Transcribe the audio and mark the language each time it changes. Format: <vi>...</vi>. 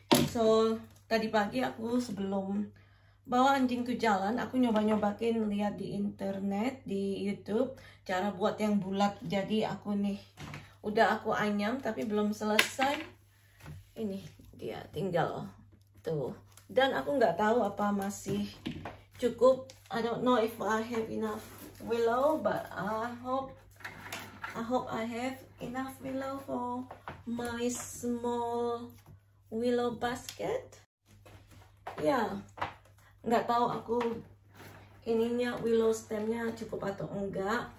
<id>So tadi pagi aku sebelum bawa anjing tuh jalan, aku nyoba-nyobakin lihat di internet, di YouTube, cara buat yang bulat. Jadi aku nih udah aku anyam tapi belum selesai. Ini dia tinggal tuh. Dan aku nggak tahu apa masih cukup.</id> <en>I don't know if I have enough willow, but I hope I have enough willow for my small willow basket.</en> <id>Ya, nggak tahu aku ininya willow stemnya cukup atau enggak.</id>